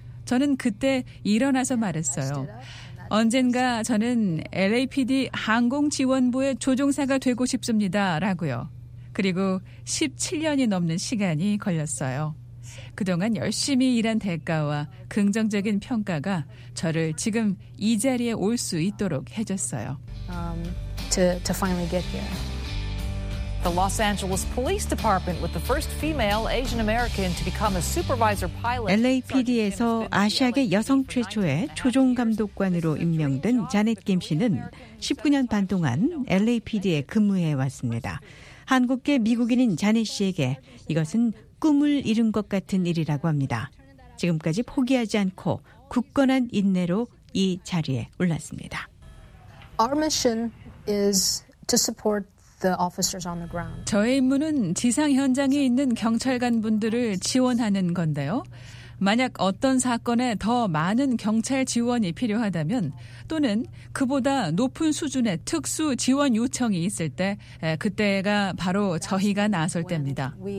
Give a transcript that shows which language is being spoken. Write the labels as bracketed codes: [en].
[ko] 저는 그때 일어나서 말했어요. 언젠가 저는 LAPD 항공지원부의 조종사가 되고 싶습니다. 라고요. 그리고 17년이 넘는 시간이 걸렸어요. 그동안 열심히 일한 대가와 긍정적인 평가가 저를 지금 이 자리에 올 수 있도록 해줬어요. [en] To finally get here. The Los Angeles Police Department with the first female Asian American to become a supervisor pilot. [ko] LAPD에서 아시아계 여성 최초의 조종 감독관으로 임명된 자넷 김 씨는 19년 반 동안 LAPD에 근무해 왔습니다. 한국계 미국인인 자넷 씨에게 이것은 꿈을 이룬 것 같은 일이라고 합니다. 지금까지 포기하지 않고 굳건한 인내로 이 자리에 올랐습니다. [en] Our mission is to support the officers on the ground. [ko] 저의 임무는 지상 현장에 있는 경찰관분들을 지원하는 건데요. 만약 어떤 사건에 더 많은 경찰 지원이 필요하다면 또는 그보다 높은 수준의 특수 지원 요청이 있을 때 그때가 바로 저희가 나설 때입니다.